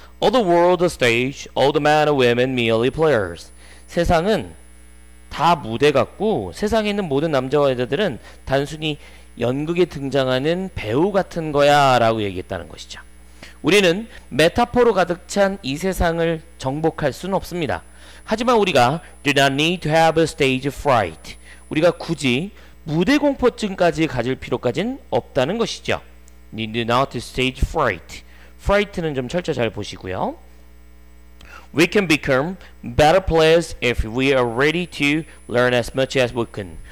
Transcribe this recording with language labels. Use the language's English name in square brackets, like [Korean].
[English] All the world a stage, all the men and women merely players. [Korean] 세상은 다 무대 같고 세상에 있는 모든 남자와 여자들은 단순히 연극에 등장하는 배우 같은 거야 라고 얘기했다는 것이죠. 우리는 메타포로 가득 찬 이 세상을 정복할 수는 없습니다. 하지만 우리가 [English] do not need to have a stage fright. [Korean] 우리가 굳이 무대 공포증까지 가질 필요까지는 없다는 것이죠. [English] Need to not stage fright. [Korean] Fright는 좀 철저히 잘 보시고요. [English] We can become better players if we are ready to learn as much as we can.